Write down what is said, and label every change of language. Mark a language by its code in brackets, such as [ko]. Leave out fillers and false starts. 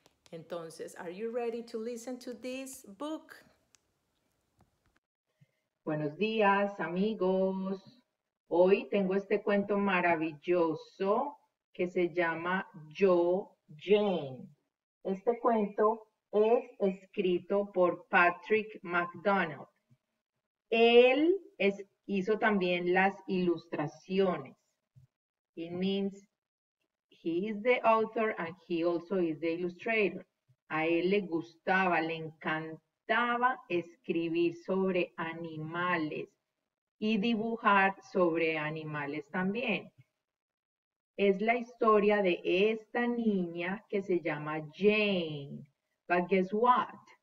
[en] Entonces, are you ready to listen to this book? [es] Buenos días, amigos. Hoy tengo este cuento maravilloso que se llama Jo Jane. Este cuento es escrito por Patrick McDonald. Él hizo también las ilustraciones. [en] It means he is the author and he also is the illustrator. [es] A él le gustaba, le encantaba escribir sobre animales y dibujar sobre animales también. Es la historia de esta niña que se llama Jane. [en] But guess what?